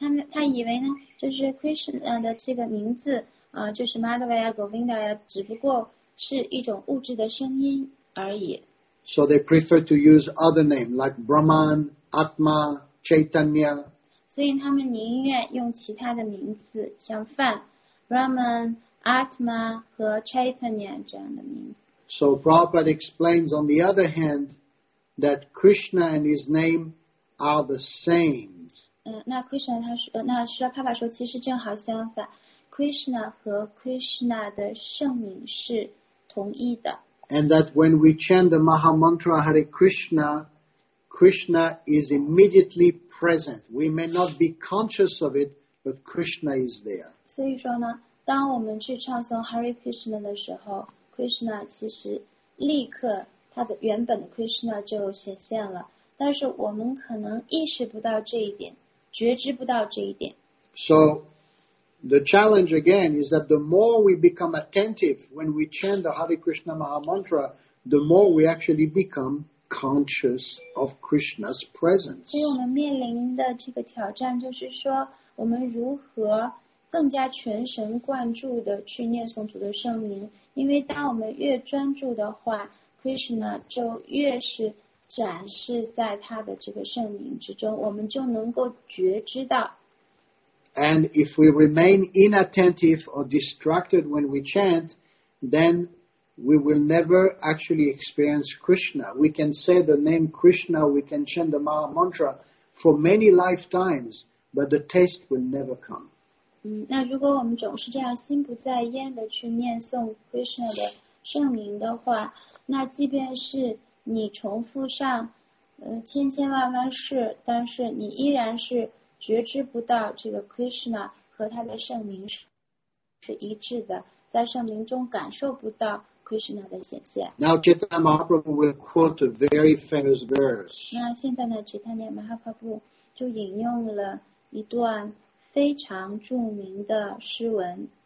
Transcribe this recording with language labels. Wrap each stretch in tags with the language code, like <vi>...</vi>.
<zh>他以为呢，就是 Krishna 的这个名字，就是 Madhava 呀 Govinda 呀，只不过是一种物质的声音而已。</zh> <en>So they prefer to use other names like Brahman, Atma, Chaitanya.</en> <zh>所以他们宁愿用其他的名字，像梵、Brahman, Atma 和 Chaitanya 这样的名字。</zh> <en>So Prabhupada explains, on the other hand, that Krishna and his name are the same.</en> <zh>那 Krishna 他说，那释迦牟尼说，其实正好相反 ，Krishna 和 Krishna 的圣名是同一的。</zh> <en>And that when we chant the Maha Mantra Hare Krishna, Krishna is immediately present. We may not be conscious of it, but Krishna is there.</en> <zh>所以说呢，当我们去唱诵 Hare Krishna 的时候 ，Krishna 其实立刻他的原本的 Krishna 就显现了，但是我们可能意识不到这一点。觉知不到这一点。</zh> <en>So, the challenge again is that the more we become attentive when we chant the Hare Krishna Maha Mantra, the more we actually become conscious of Krishna's presence.</en> <zh>所以我们面临的这个挑战就是说，我们如何更加全神贯注地去念诵主的圣名？因为当我们越专注的话 ，Krishna 就越是。展示在他的这个圣名之中，我们就能够觉知到。</zh> <en>And if we remain inattentive or distracted when we chant, then we will never actually experience Krishna. We can say the name Krishna, we can chant the Maha Mantra for many lifetimes, but the taste will never come.</en> <zh>那如果我们总是这样心不在焉的去念诵 Krishna 的圣名的话，那即便是你重复上，千千万万世，但是你依然是觉知不到这个 Krishna 和他的圣名是一致的，在圣名中感受不到 Krishna 的显现。</zh> <en>Now Chaitanya Mahaprabhu will quote a very famous verse.</en> <zh>那现在呢 ，Chaitanya Mahaprabhu 就引用了一段非常著名的诗文。</zh>